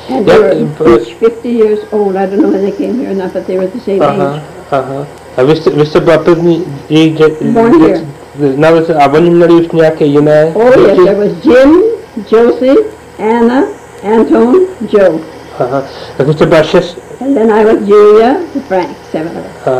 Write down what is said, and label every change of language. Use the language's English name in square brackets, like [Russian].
[English] And they were each 50 years old. I don't know when they came here or not, but they were the same age. [Czech] A vy jste byla první jejich děti? A oni měli už nějaké jiné děti? [English] Oh yes, there was Jim, Josie, Anna, Anton, Joe. [Czech] Tak vy jste byla šest. [English] And then I was Julia, Frank, seven of us.